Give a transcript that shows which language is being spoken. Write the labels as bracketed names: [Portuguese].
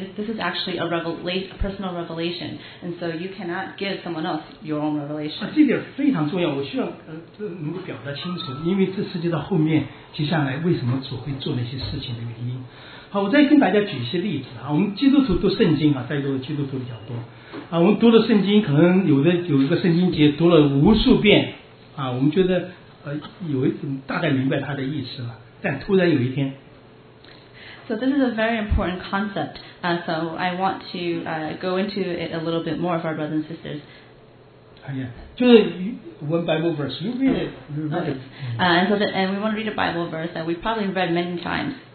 [English] This is actually a personal revelation, and so you cannot give someone else your own revelation. [Chinese] 这点非常重要，我需要能够表达清楚，因为这涉及到后面接下来为什么主会做那些事情的原因。好，我在跟大家举一些例子啊，我们基督徒读圣经啊，在座的基督徒比较多啊，我们读了圣经，可能有的圣经节读了无数遍啊，我们觉得有一种大概明白它的意思了，但突然有一天。 [English] So this is a very important concept, so I want to go into it a little bit more for our brothers and sisters. Yeah, just one Bible verse. You read it. And we want to read a Bible verse that we've probably read many times.